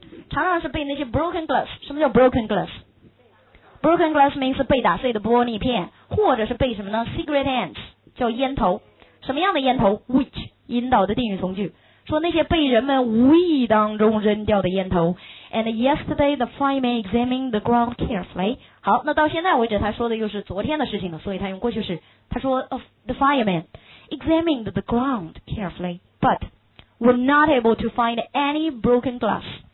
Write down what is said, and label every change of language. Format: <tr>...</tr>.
<zh>常常是被那些 broken glass， 什么叫 broken glass?</zh> <en>Broken glass means</en> <zh>被打碎的玻璃片，或者是被什么呢？</zh> <en>Cigarette ends</en> <zh>叫烟头，什么样的烟头？Which 引导的定语从句。说那些被人们无意当中扔掉的烟头。</zh> <en>And yesterday the fireman examined the ground carefully。</en> <zh>好，那到现在为止他说的又是昨天的事情了，所以他用过去式。他说</zh> <en>the fireman examined the ground carefully but were not able to find any broken glass。</en>